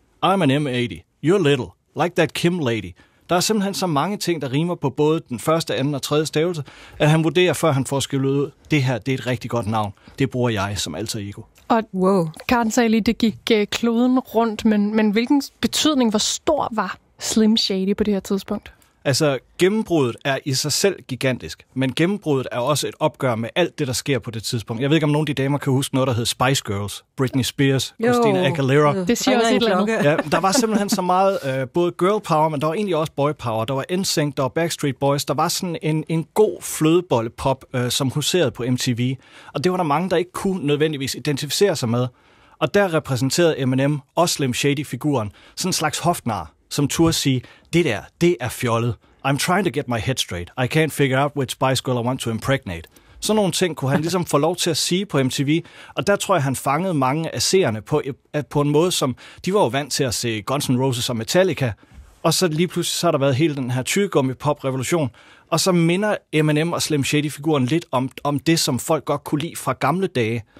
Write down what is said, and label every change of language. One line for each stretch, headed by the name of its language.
English: I'm an M80, you're little, like that Kim lady.
Danish: Der er simpelthen så mange ting, der rimer på både den første, anden og tredje stavelse, at han vurderer, før han får skrevet ud, det her, det er et rigtig godt navn. Det bruger jeg som alter ego. Og wow. Karen sagde lige, det gik kloden rundt, men hvilken betydning, hvor stor var Slim Shady på det her tidspunkt? Altså, gennembruddet er i sig selv gigantisk, men gennembruddet er også et opgør med alt det, der sker på det tidspunkt. Jeg ved ikke, om nogle af de damer kan huske noget, der hed Spice Girls, Britney Spears, jo. Christina Aguilera. Det siger også et eller andet. Ja, der var simpelthen så meget både girl power, men der var egentlig også boy power. Der var NSYNC, der var Backstreet Boys. Der var sådan en god flødebollepop, som huserede på MTV. Og det var der mange, der ikke kunne nødvendigvis identificere sig med. Og der repræsenterede Eminem og Slim Shady-figuren sådan en slags hofnar, som turde sige, det der, det er fjollet.
English: I'm trying to get my head straight. I can't figure out which Spice Girl I want to impregnate.
Danish: Sådan nogle ting kunne han ligesom få lov til at sige på MTV, og der tror jeg, han fangede mange af seerne på en måde, som de var jo vant til at se Guns N' Roses og Metallica, og så lige pludselig så har der været hele den her tyggegummi-pop-revolution, og så minder Eminem og Slim Shady-figuren lidt om det, som folk godt kunne lide fra gamle dage.